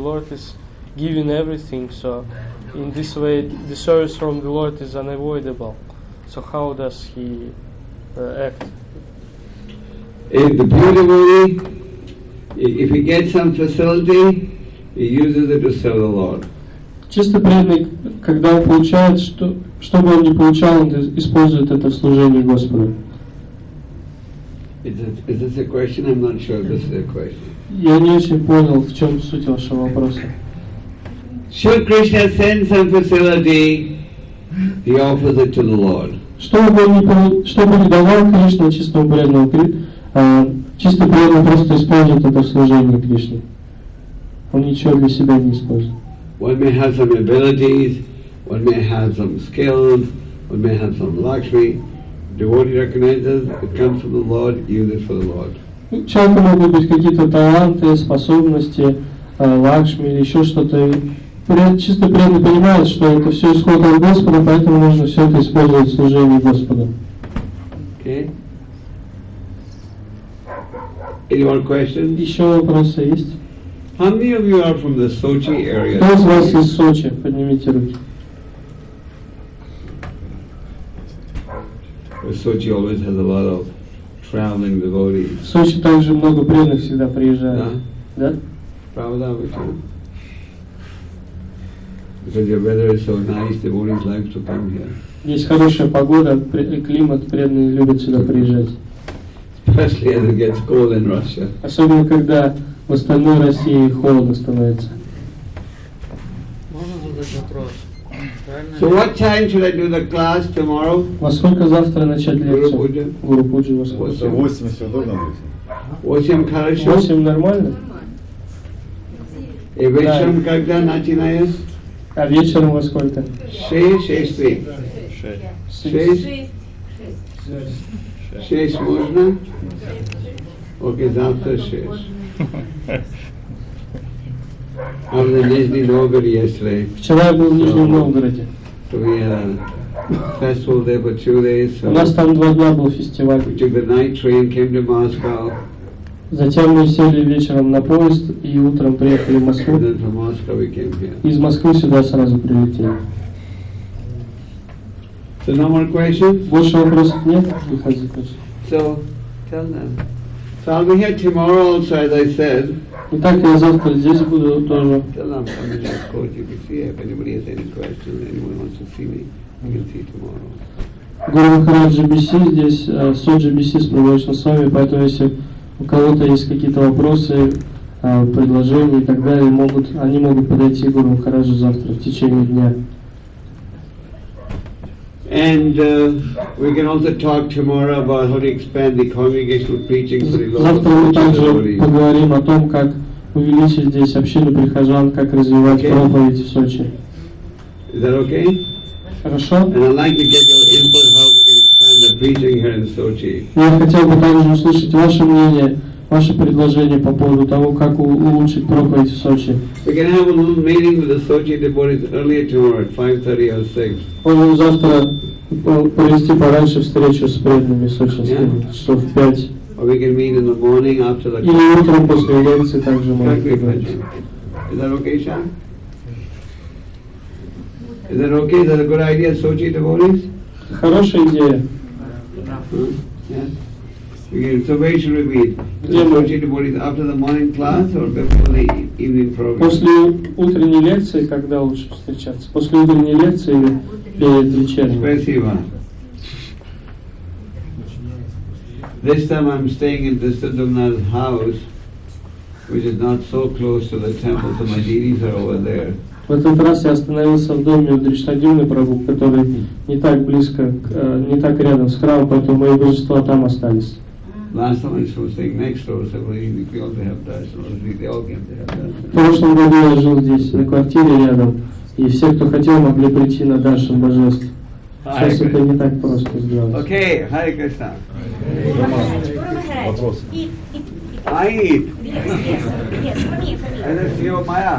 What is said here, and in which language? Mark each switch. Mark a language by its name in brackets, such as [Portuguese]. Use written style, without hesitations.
[English] The Lord is giving everything, so in this way, the service from the Lord is unavoidable. So how does he act? If the pure devotee, if he gets some facility, he uses it to serve the Lord. [Russian] Чисто преданный, когда он получает, что бы он ни получал, он использует это в служении Господу. [English] Is this a question? I'm not sure if this is a question. [Russian] Я не очень понял, в чем суть вашего вопроса. [English] Should Krishna send some facility, he offers it to the Lord. [Russian] Чтобы не давал Кришна чистому преданному, чисто преданный просто использует это в служении Кришне. Он ничего для себя не использует. [English] One may have some abilities, one may have some skills, one may have some luxury. Devotee recognizes it comes from the Lord, use it for the Lord. [Russian] Часто могут быть какие-то таланты, способности, лакшми или еще что-то. чисто преданный понимает, что это все исходит от Господа, поэтому нужно все это использовать в служении Господу. [English] Any more questions? [Russian] Еще вопросы есть? [English] How many of you are from the Sochi area? [Russian] Кто из вас из Сочи? Поднимите руки. [English] Sochi always has a lot of traveling devotees. [Russian] В Сочи также много преданных всегда приезжают. Да? Правда, вы что? [English] Because the weather is so nice, devotees like to come here. [Russian] Есть хорошая погода, климат, преданные любят сюда приезжать. [English] Especially as it gets cold in Russia. [Russian] Особенно когда в остальной России холодно становится. Можно задать вопрос? [English] So what time should I do the class tomorrow? [Russian] Во сколько завтра начать лекцию? Гуру Пуджи. Во сколько? 8 удобно будет. 8 хорошо? 8 нормально. И вечером когда начинаешь? А вечером во сколько? 6 можно? Окей, завтра 6. А в Нижний Новгород [English] yesterday. [Russian] Вчера я был в Нижнем Новгороде. [English] So we had a festival there for 2 days. [Russian] У нас там 2 дня был фестиваль. [English] We took the night train, came to Moscow. [Russian] Затем мы сели вечером на поезд и утром приехали в Москву. [English] And then from Moscow we came here. [Russian] Из Москвы сюда сразу прилетели. [English] So no more questions? [Russian] Больше вопросов нет? [English] So, tell them. So I'll be here tomorrow also, as I said. [Russian] Итак, я завтра здесь буду тоже. [English] Tell them, I'm in the court, you can see. If anybody has any questions, anyone wants to see me, you can see tomorrow. [Russian] Гуру Махарадж GBC здесь, Сот GBC с Прабхуджи с вами, поэтому если у кого-то есть какие-то вопросы, предложения и так далее, они могут подойти к Гуру Махараджу завтра в течение дня. [English] And we can also talk tomorrow about how to expand the congregational preaching for the local [Russian] Завтра мы также поговорим о том, как увеличить здесь общину прихожан, как развивать проповедь в Сочи. [English] Is that okay? [Russian] Хорошо. [English] And I'd like to get your input how we can expand the preaching here in Sochi. [Russian] Я хотел бы также услышать ваше мнение, ваше предложение по поводу того, как улучшить проповедь в Сочи. [English] We can have a little meeting with the Sochi devotees earlier tomorrow at 5:30 or 6. [Russian] Можем завтра провести пораньше встречу с преданными сочинскими, часов 5. [English] Or we can meet in the morning after the... [Russian] Или утром после лекции также можно поговорить. [English] Is that okay, Sean? Is that okay? Is that a good idea, Sochi devotees? [Russian] Хорошая идея. [English] So where should we meet? The Sochi devotees after the morning class or before the evening program? [Russian] После утренней лекции, когда лучше встречаться? После утренней лекции или перед вечерней? Спасибо. [English] This time I'm staying in the Siddhamna's house, which is not so close to the temple, so my deities are over there. [Russian] В этот раз я остановился в доме у Дришнадивны Прабху, который не так близко, не так рядом с храмом, поэтому мои божества там остались. [English] Last time I was staying next door, so we all have darshan. We all came to have darshan. [Russian] В прошлом году я жил здесь на квартире рядом, и все, кто хотел, могли прийти на даршан божеств. Сейчас это не так просто сделать. [English] Okay, Hare Krishna. [Russian] Вопрос. [English] Eat. Yes, yes, for me, for me. And it's your Maya.